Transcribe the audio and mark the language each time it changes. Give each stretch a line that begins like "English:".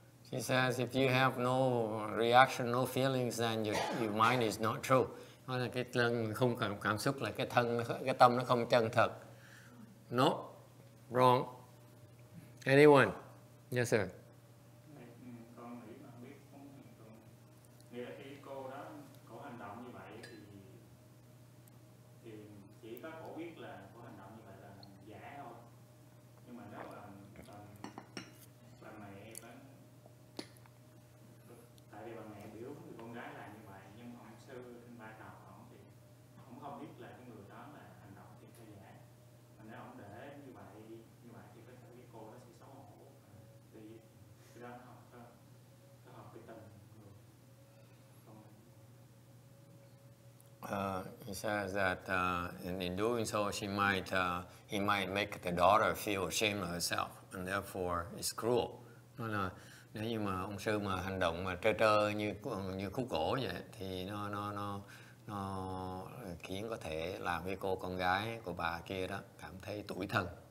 English: She says, if you have no reaction, no feelings, then your mind is not true.
Vietnamese: Nói là cái thân không cần cảm xúc, là cái thân, cái tâm nó không chân thật.
English: No, wrong. Anyone? Yes, sir. He says that in doing so, he might make the daughter feel ashamed of herself, and therefore it's cruel.
Vietnamese: Nó là nếu như mà ông sư mà hành động mà trơ trơ như khúc gỗ vậy thì nó khiến có thể làm cho cô con gái của bà kia đó cảm thấy tủi thân.